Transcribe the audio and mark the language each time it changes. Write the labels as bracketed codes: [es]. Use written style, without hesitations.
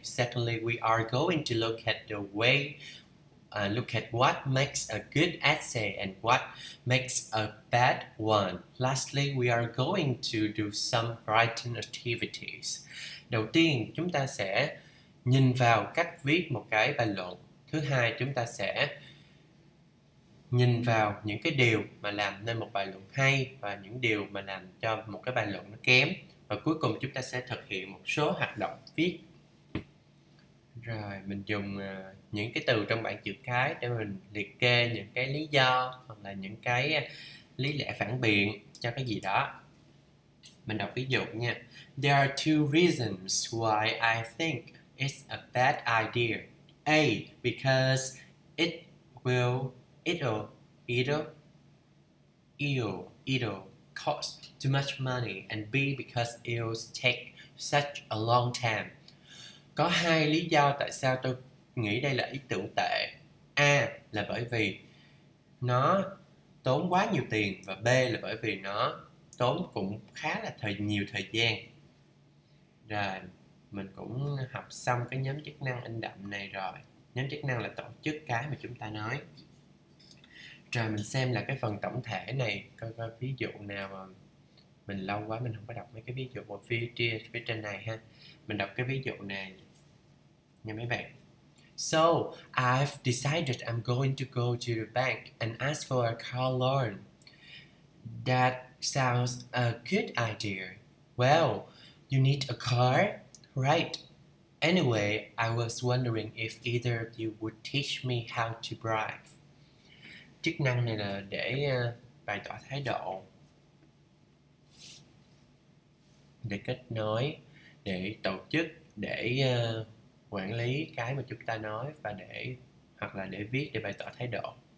[en] Secondly, we are going to look at the way, look at what makes a good essay and what makes a bad one. Lastly, we are going to do some writing activities. [vi] Đầu tiên, chúng ta sẽ nhìn vào cách viết một cái bài luận. Thứ hai, chúng ta sẽ nhìn vào những cái điều mà làm nên một bài luận hay và những điều mà làm cho một cái bài luận nó kém. Và cuối cùng chúng ta sẽ thực hiện một số hoạt động viết. Rồi, mình dùng những cái từ trong bảng chữ cái để mình liệt kê những cái lý do hoặc là những cái lý lẽ phản biện cho cái gì đó. Mình đọc ví dụ nha. [en] There are two reasons why I think it's a bad idea. A, because it'll cost too much money, and B, because it'll take such a long time. [vi] Có hai lý do tại sao tôi nghĩ đây là ý tưởng tệ. A là bởi vì nó tốn quá nhiều tiền, và B là bởi vì nó tốn cũng khá là nhiều thời gian. Rồi, mình cũng học xong cái nhóm chức năng in đậm này rồi. Nhóm chức năng là tổ chức cái mà chúng ta nói. Rồi mình xem là cái phần tổng thể này coi ví dụ nào mà mình lâu quá mình không có đọc mấy cái ví dụ một phía trên này ha. Mình đọc cái ví dụ này nha mấy bạn. [en] So I've decided I'm going to go to the bank and ask for a car loan. That sounds a good idea. Well, you need a car, right? Anyway, I was wondering if either of you would teach me how to drive. [vi] Chức năng này là để bày tỏ thái độ, để kết nối, để tổ chức, để quản lý cái mà chúng ta nói và để hoặc là để viết, để bày tỏ thái độ.